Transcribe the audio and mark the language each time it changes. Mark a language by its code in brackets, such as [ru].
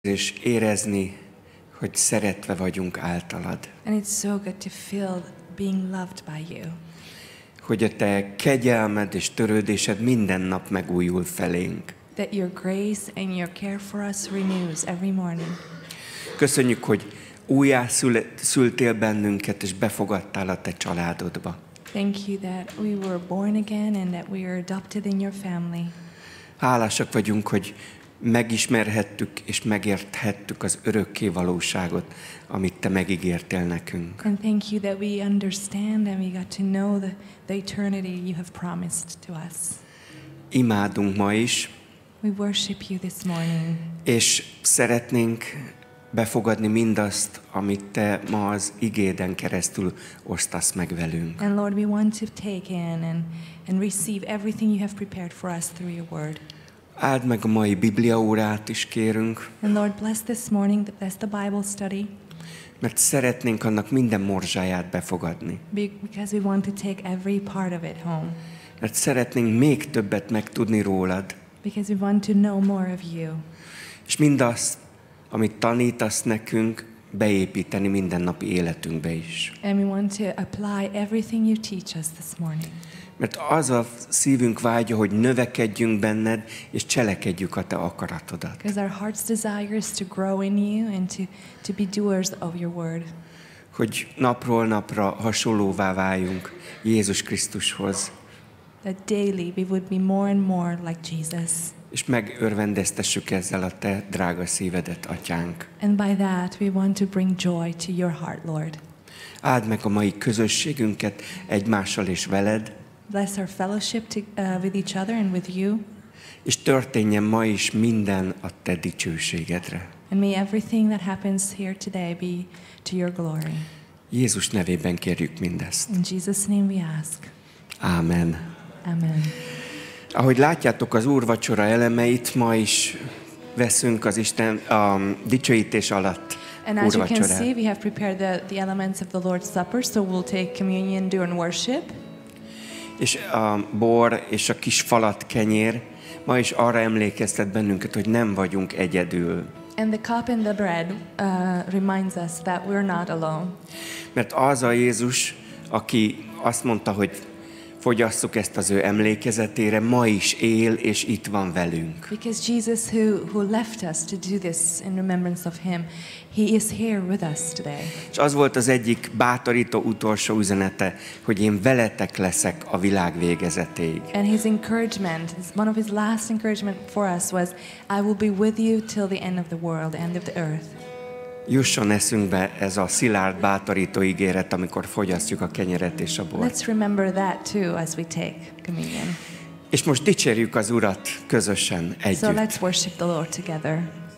[hu] És érezni, hogy szeretve vagyunk általad. [en] And it's so good to feel being loved by you. [hu] Hogy a te kegyelmed és törődésed minden nap megújul felénk. [en] That your grace and your care for us renews every morning. [hu] Köszönjük, hogy újjá szültél bennünket és befogadtál a te családodba. [en] Thank you that we were born again and that we are adopted in your family. [hu] Hálásak vagyunk, hogy megismerhettük és megérthettük az örökké valóságot, amit te megígértél nekünk. [en] And thank you that we understand and we got to know the eternity you have promised to us. [hu] Imádunk ma is. [en] We worship you this morning. [hu] És szeretnénk befogadni mindazt, amit te ma az igéden keresztül osztasz meg velünk. [en] And Lord, we want to take in and receive everything you have prepared for us through your word. [hu] Áld meg a mai Biblia órát is, kérünk. [en] And Lord, bless this morning, bless the Bible study. [hu] Mert szeretnénk annak minden morzsáját befogadni. [en] Because we want to take every part of it home. [hu] Mert szeretnénk még többet megtudni rólad. [en] Because we want to know more of you. [hu] És mindazt, amit tanítasz nekünk, beépíteni mindennapi életünkbe is. [en] And we want to apply everything you teach us this morning. [hu] Mert az a szívünk vágya, hogy növekedjünk benned, és cselekedjük a te akaratodat. [en] Because our heart's desire is to grow in you and to be doers of your word. [hu] Hogy napról napra hasonlóvá váljunk Jézus Krisztushoz. [en] That daily we would be more and more like Jesus. [hu] És megörvendeztessük ezzel a te drága szívedet, Atyánk. [en] And by that we want to bring joy to your heart, Lord. [hu] Áld meg a mai közösségünket egymással és veled. [en] Bless our fellowship with each other and with you. [hu] És történjen ma is minden a te dicsőségedre. [en] And may everything that happens here today be to your glory. [hu] Jézus nevében kérjük mindezt. [en] In Jesus' name we ask. [hu] Amen. [en] Amen. [hu] Ahogy látjátok, az úrvacsora elemeit ma is veszünk az Isten a dicsőítés alatt. [en] And as you can see, we have prepared the elements of the Lord's Supper, so we'll take communion during worship. [hu] És a bor és a kis falat kenyér ma is arra emlékeztet bennünket, hogy nem vagyunk egyedül. [en] And the cup and the bread reminds us that we're not alone. [hu] Mert az a Jézus, aki azt mondta, hogy fogyasszuk ezt az ő emlékezetére, ma is él és itt van velünk. [en] Because Jesus who left us to do this in remembrance of him, he is here with us today. [hu] És az volt az egyik bátorító utolsó üzenete, hogy én veletek leszek a világ végezetéig. [en] And his encouragement, one of his last encouragement for us was, I will be with you till the end of the world, end of the earth. [hu] Jusson eszünkbe ez a szilárd bátorító ígéret, amikor fogyasztjuk a kenyeret és a bort. [en] Let's remember that too as we take communion. [hu] És most dicsérjük az Urat közösen együtt. [en] So let's worship the Lord together.